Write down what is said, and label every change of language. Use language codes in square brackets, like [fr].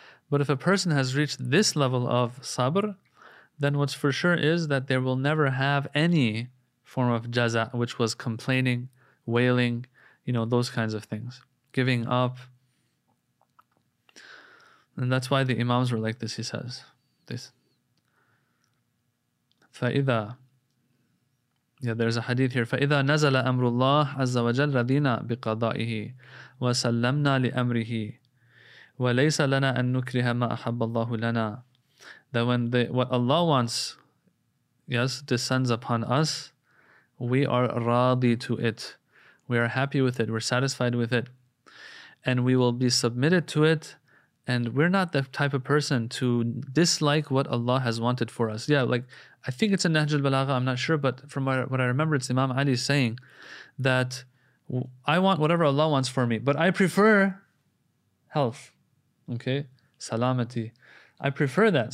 [en] But if a person has reached this level of sabr, then what's for sure is that they will never have any form of jaza, which was complaining, wailing, you know, those kinds of things, giving up. And that's why the imams were like this, he says. This. [ar] فَإِذَا [en] Yeah, there's a hadith here. [ar] فَإِذَا نَزَلَ أَمْرُ اللَّهِ عَزَّ وَجَلْ رَضِينَا بِقَضَائِهِ وَسَلَّمْنَا لِأَمْرِهِ وَلَيْسَ لَنَا أَن نُكْرِهَ مَا أَحَبَّ اللَّهُ لَنَا [en] That when what Allah wants, yes, descends upon us, we are radi to it. We are happy with it. We're satisfied with it. And we will be submitted to it. And we're not the type of person to dislike what Allah has wanted for us. Yeah, like, I think it's in Nahj al-Balagha, I'm not sure, but from what I remember, it's Imam Ali saying that I want whatever Allah wants for me, but I prefer health, okay? Salamati. I prefer that.